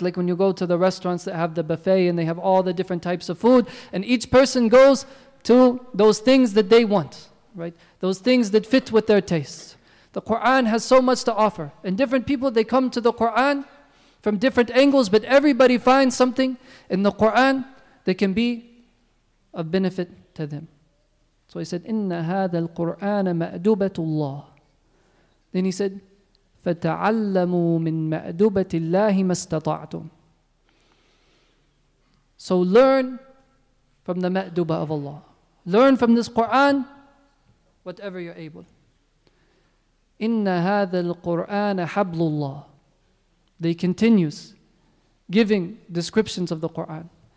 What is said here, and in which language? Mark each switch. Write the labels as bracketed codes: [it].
[en] Like when you go to the restaurants that have the buffet and they have all the different types of food, and each person goes to those things that they want. Right? Those things that fit with their tastes. The Quran has so much to offer. And different people, they come to the Quran from different angles, but everybody finds something in the Quran that can be of benefit to them. So he said, [ar] إِنَّ هَذَا الْقُرْآنَ مَأْدُوبَةُ اللَّهِ. [en] Then he said, [ar] فَتَعَلَّمُوا مِنْ مَأْدُوبَةِ اللَّهِ مَا اسْتَطَعْتُمْ. [en] So learn from the ma'duba of Allah. Learn from this Quran whatever you're able. [ar] إِنَّ هَذَا الْقُرْآنَ حَبْلُ اللَّهِ. [en] They continues giving descriptions of the Quran.